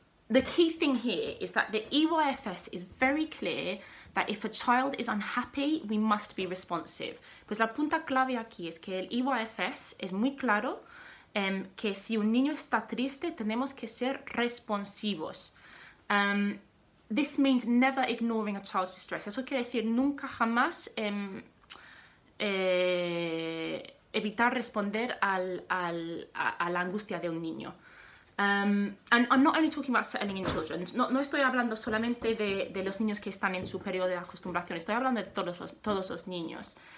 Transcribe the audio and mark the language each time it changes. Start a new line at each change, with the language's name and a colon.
English: The key thing here is that the EYFS is very clear that if a child is unhappy, we must be responsive.
Spanish: Pues la punta clave aquí es que el EYFS es muy claro que si un niño está triste, tenemos que ser responsivos.
English: This means never ignoring a child's distress.
Spanish: Eso quiere decir nunca jamás evitar responder a la angustia de un niño.
English: And I'm not only talking about settling in children.
Spanish: No estoy hablando solamente de los niños que están en su periodo de acostumbración. Estoy hablando de todos los niños.